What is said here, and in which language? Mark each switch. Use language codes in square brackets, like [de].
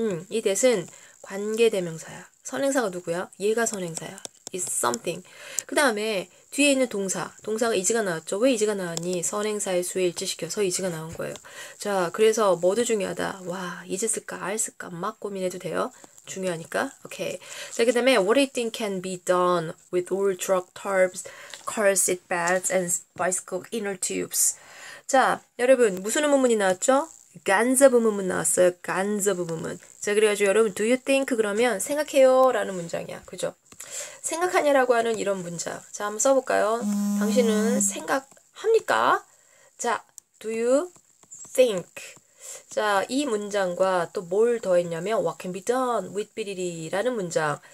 [ko] 이 that은 관계대명사야. 선행사가 누구야? 얘가 선행사야. [en] is something. [ko] 그 다음에 뒤에 있는 동사. 동사가 is가 나왔죠. 왜 is가 나왔니? 선행사의 수에 일치시켜서 is가 나온 거예요. 자, 그래서 뭐도 중요하다. 와, is 쓸까, are 쓸까 막 고민해도 돼요. 중요하니까. 오케이. 자, 그 다음에 [en] what do you think can be done with old truck tarps, car seat belts, and bicycle inner tubes? [ko] 자, 여러분, 무슨 의문문이 나왔죠? Guns of 의문문 나왔어요. Guns of 의문문. 자, 그래가지고 여러분, [en] do you think [ko] 그러면 생각해요? 라는 문장이야. 그죠? 생각하냐라고 하는 이런 문장. 자, 한번 써볼까요? 당신은 생각합니까? 자, [en] do you think? [ko] 자, 이 문장과 또뭘더 했냐면, [en] what can be done with Bilili? [ko] 라는 문장.